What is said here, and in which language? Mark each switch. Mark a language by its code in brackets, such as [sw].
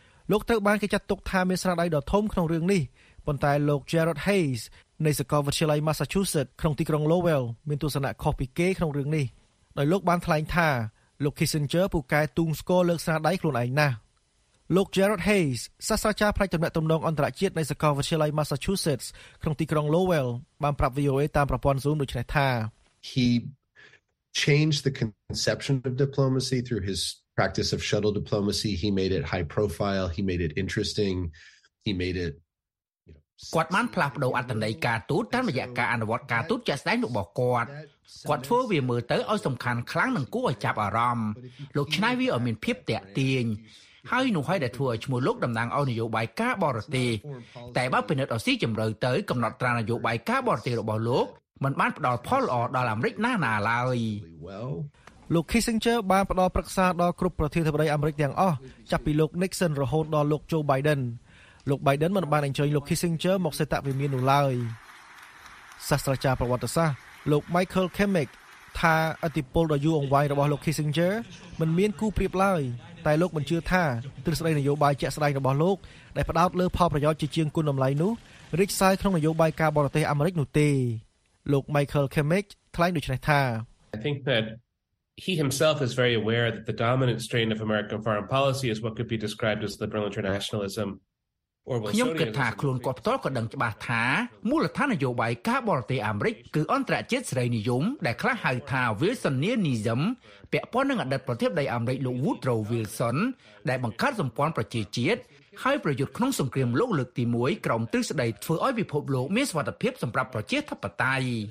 [km] លោកត្រូវបានគេចាត់ទុកថាមានស្នាដៃដ៏ធំក្នុងរឿងនេះប៉ុន្តែលោក Gerard Hayes នៃសាកលវិទ្យាល័យ Massachusetts ក្នុងទីក្រុង Lowell មានទស្សនៈខុសពីគេក្នុងរឿងនេះដោយលោកបានថ្លែងថាលោក Kissinger ពូកែទូងស្គាល់លើកស្នាដៃខ្លួនឯងណាស់លោក Gerard Hayes សាស្ត្រាចារ្យផ្នែកទំនាក់ទំនងអន្តរជាតិនៃសាកលវិទ្យាល័យ Massachusetts ក្នុងទីក្រុង Lowell បានប្រាប់ VOA តាមប្រព័ន្ធ Zoom ដូចនេះថា [en] He changed the conception of diplomacy through his practice of shuttle diplomacy. He made it high profile. He made it interesting. He made it, [km] គាត់បានផ្លាស់ប្តូរអត្តន័យការទូតតាមរយៈការអនុវត្តការទូតជាក់ស្តែងរបស់គាត់គាត់ធ្វើវាមើលទៅឲ្យសំខាន់ខ្លាំងនិងគួរឲ្យចាប់អារម្មណ៍លោកឆ្នៃវាឲ្យមានភាពតាក់ទាញហើយនោះហើយដែលធ្វើឲ្យឈ្មោះលោកតំណាងឲ្យនយោបាយការបរទេសតែបើពិនិត្យឲ្យស៊ីជម្រៅទៅកំណត់ត្រានយោបាយការបរទេសរបស់លោក [th] มัน [km] បានផ្ដល់ផលល្អដល់អាមេរិកណាស់ណាឡើយ លោក Kissinger បានផ្ដល់ប្រឹក្សាដល់គ្រប់ប្រធានាធិបតីអាមេរិកទាំងអស់ចាប់ពីលោក Nixon រហូតដល់លោក Joe Biden លោក Biden មិនបានអញ្ជើញលោក Kissinger មកសេតវិមាននោះឡើយសាស្ត្រាចារ្យប្រវត្តិសាស្ត្រលោក Michael Kemmick ថាឥទ្ធិពលដ៏យូរអង្វែងរបស់លោក Kissinger មិនមានគូប្រៀបឡើយតែលោកមិនជឿថាទស្សនវិស័យនយោបាយជាក់ស្ដែងរបស់លោកដែលផ្ដោតលើផលប្រយោជន៍ជាជាងគុណតម្លៃនោះរីកសាយក្នុងនយោបាយការបរទេសអាមេរិកនោះទេលោក Michael Kemmick ថ្លែងដូចនេះថា [en] I think that he himself is very aware that the dominant strain of American foreign policy is what could be described as liberal internationalism or [km] ខ្ញុំគិតថាខ្លួនគាត់ផ្ទាល់ក៏ដឹងច្បាស់ថាមូលដ្ឋាននយោបាយការបរទេសអាមេរិកគឺអន្តរជាតិសេរីនិយមដែលខ្លះហៅថា Wilsonianism ពាក់ព័ន្ធនឹងអតីតប្រធានាធិបតីអាមេរិកលោក Woodrow Wilson ដែលបង្កើតសម្ព័ន្ធប្រជាជាតិហើយប្រយុទ្ធក្នុងសង្គ្រាមលោកលើកទី1ក្រោមទ្រឹស្ដីធ្វើឲ្យពិភពលោកមានសន្តិភាពសម្រាប់ប្រជាធិបតេយ្យ